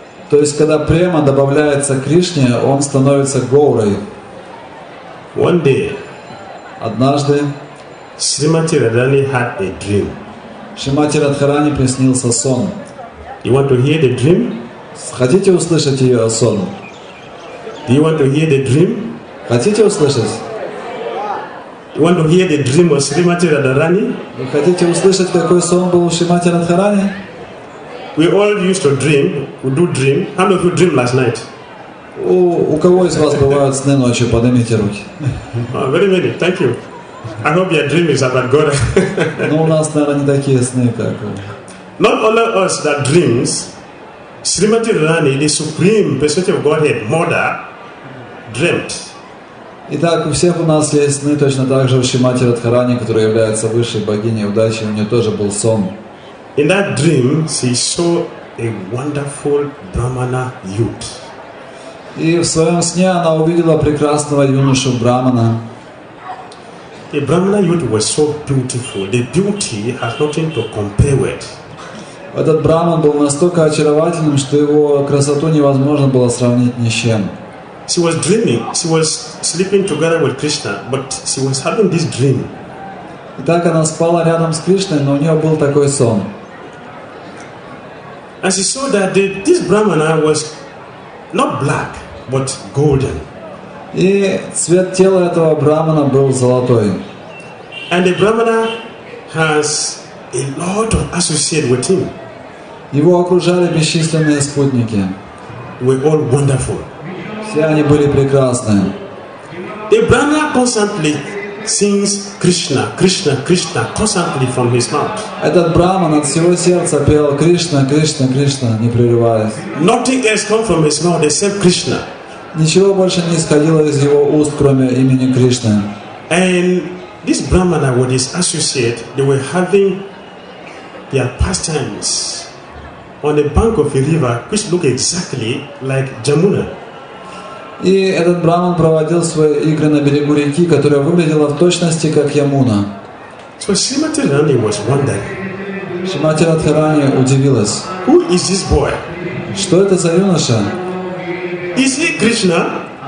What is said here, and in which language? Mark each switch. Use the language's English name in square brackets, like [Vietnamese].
[Russian] То есть когда према добавляется Кришне, он становится Гаурой. [English] One day, [Russian] однажды, [English] Srimati Radhani had a dream. [Russian] Шримати Радхарани приснился сон. [English] You want to hear the dream? [Russian] Хотите услышать ее сон? [English] Do you want to hear the dream? [Russian] Хотите услышать? [English] You want to hear the dream of Srimati Radharani? [Russian] Вы хотите услышать, какой сон был у Шримати Радхарани? [English] We all used to dream. We do dream. How many of you dream last night? [Russian] У кого из вас бывают сны ночью? Поднимите руки. [English] Oh, very many. Thank you. I hope your dream is about God. [Russian] Но у нас, наверное, не такие сны, как. [English] Not only us that dreams, Srimati Radharani, the supreme personality of Godhead, Mother, dreamt. [Russian] Итак, у всех у нас есть сны, точно так же у Шримати Радхарани, которая является высшей богиней удачи, у нее тоже был сон. [English] In that dream, she saw a wonderful Brahmana youth. [Russian] И в своем сне она увидела прекрасного юношу Брахмана. [English] The Brahmana youth was so beautiful. The beauty has nothing to compare with. [Russian] Этот Брахман был настолько очаровательным, что его красоту невозможно было сравнить ни с чем. [English] She was dreaming. She was sleeping together with Krishna, but she was having this dream. [Russian] Итак, она спала рядом с Кришной, но у нее был такой сон. [English] And she saw that this Brahmana was not black, but golden. [Russian] И цвет тела этого брахмана был золотой. [English] And the brahmana has a lot of associates with him. [Russian] Его окружали бесчисленные спутники. [English] We all wonderful. [Russian] Все они были прекрасны. [English] The brahmana constantly sings Krishna, Krishna, Krishna constantly from his mouth. [Russian] Этот брахман от всего сердца пел Кришна, Кришна, Кришна, не прерываясь. [English] Nothing else comes from his mouth except Krishna. [Russian] Ничего больше не исходило из его уст, кроме имени Кришны. [English] And this brahmana with his associate, they were having their pastimes on the bank of a river, which looked exactly like Jamuna. [Russian] И этот брахман проводил свои игры на берегу реки, которая выглядела в точности как Ямуна. [English] So Srimati Radharani was wondering. [Russian] Srimati Radharani удивилась. [English] Who is this boy? [Russian] Что это за юноша? [English] Is he Krishna?